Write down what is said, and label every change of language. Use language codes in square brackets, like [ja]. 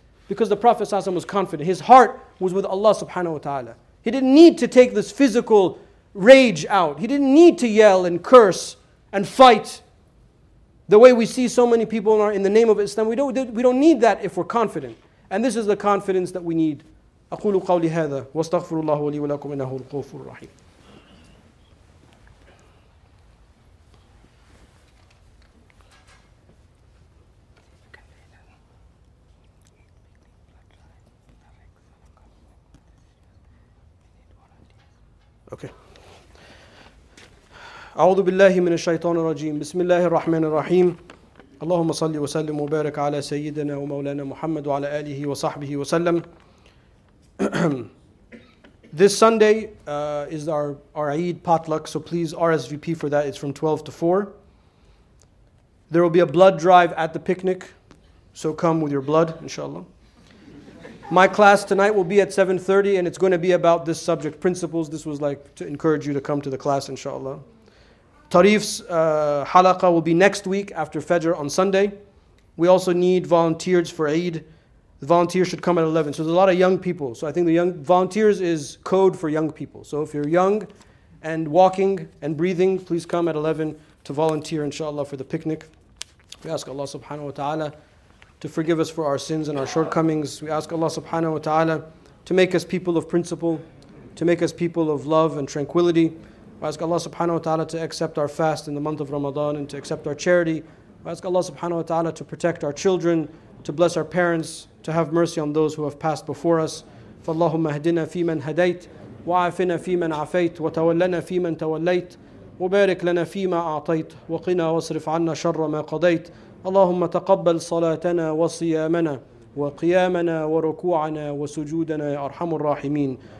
[en] Because the Prophet ﷺ was confident, his heart was with Allah subhanahu wa ta'ala. He didn't need to take this physical rage out. He didn't need to yell and curse and fight. The way we see so many people in the name of Islam, we don't need that if we're confident. And this is the confidence that we need. [ar] أقول قولي هذا واستغفر الله لي ولكم إنه الغفور الرحيم. [en] Okay. [ar] أعوذ بالله من الشيطان الرجيم. بسم الله الرحمن الرحيم. اللهم صل وسلم وبارك على سيدنا ومولانا محمد وعلى آله وصحبه وسلم. [en] This Sunday is our Eid potluck, so please RSVP for that. It's from 12 to 4. There will be a blood drive at the picnic, so come with your blood, inshallah. My class tonight will be at 7:30, and it's going to be about this subject, principles. This was like to encourage you to come to the class, inshallah. Tarif's halaqa will be next week after Fajr on Sunday. We also need volunteers for Eid. The volunteers should come at 11. So there's a lot of young people. So I think the young volunteers is code for young people. So if you're young and walking and breathing, please come at 11 to volunteer, inshallah, for the picnic. We ask Allah subhanahu wa ta'ala to forgive us for our sins and our shortcomings. We ask Allah subhanahu wa ta'ala to make us people of principle, to make us people of love and tranquility. We ask Allah subhanahu wa ta'ala to accept our fast in the month of Ramadan and to accept our charity. We ask Allah subhanahu wa ta'ala to protect our children, to bless our parents, to have mercy on those who have passed before us. [ar] فَاللَّهُمَّ هَدِنَا فِي مَنْ هَدَيْتْ وَعَافِنَا فِي مَنْ عَفَيْتْ وَتَوَلَّنَا فِي مَنْ تَوَلَّيْتْ وَبَارِكْ لَنَا فِي مَا أَعْطَيْتْ وَقِنَا وَاصْرِفْ عَنَّا شَرَّ مَا قَضَيْتْ اللَّهُمَّ تَقَبَّلْ صَلَاتَنَا وَصِيَامَنَا وَقِيَامَنَا وَرُكُوعَنَا وَسُجُودَنَا يَا أَرْحَمُ الرَّاحِمِينَ